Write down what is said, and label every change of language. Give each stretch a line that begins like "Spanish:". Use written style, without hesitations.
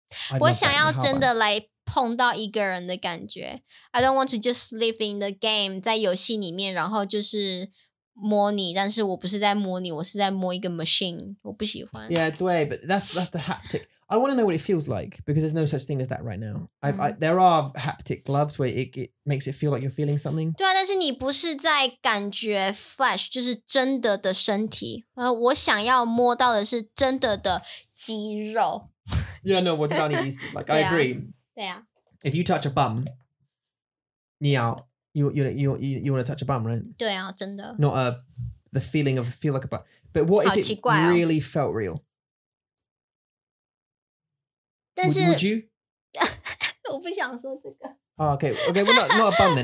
Chinese: I 我想要真的来碰到一个人的感觉
English: I don't want to just live in the game,
Chinese: 在游戏里面，然后就是摸你，但是我不是在摸你，我是在摸一个 machine, 我不喜欢。
English: Yeah,
Chinese: 对
English: but that's the haptic. I want to know what it feels like, because there's no such thing as that right now. There are haptic gloves where it makes it feel like you're feeling something.
Chinese: 对啊，但是你不是在感觉 flesh, 就是真的的身体。我想要摸到的是真的的肌肉
English: Yeah, no,
Chinese: 我知道你意思
English: Like, I agree
Chinese: 对啊
English: If you touch a bum
Chinese: 你要
English: you want to touch a bum, right?
Chinese: 对啊真的
English: Not the feeling of feel like a bum But what if it really felt real?
Chinese: 但是,
English: would you?
Chinese: 我不想说这个.
English: Oh, okay, okay. Well, not a bun then.